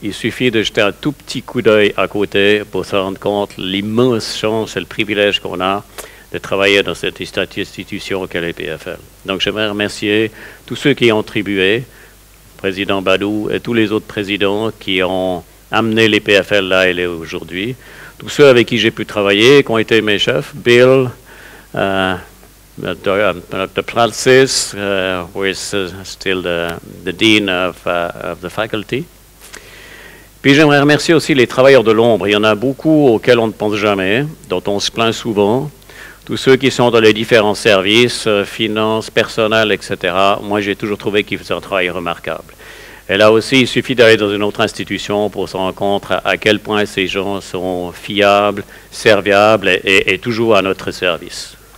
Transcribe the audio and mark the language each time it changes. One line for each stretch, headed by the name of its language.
French: Il suffit de jeter un tout petit coup d'œil à côté pour se rendre compte l'immense chance et le privilège qu'on a de travailler dans cette institution qu'est l'EPFL. Donc, j'aimerais remercier tous ceux qui ont contribué, président Badou et tous les autres présidents qui ont amené l'EPFL là où il est aujourd'hui. Tous ceux avec qui j'ai pu travailler, qui ont été mes chefs, Bill, Dr.
English: Francis, who is still the dean of the faculty.
French: Puis j'aimerais remercier aussi les travailleurs de l'ombre. Il y en a beaucoup auxquels on ne pense jamais, dont on se plaint souvent. Tous ceux qui sont dans les différents services, finances, personnel, etc. Moi, j'ai toujours trouvé qu'ils faisaient un travail remarquable. Et là aussi, il suffit d'aller dans une autre institution pour se rendre compte à quel point ces gens sont fiables, serviables et toujours à notre service.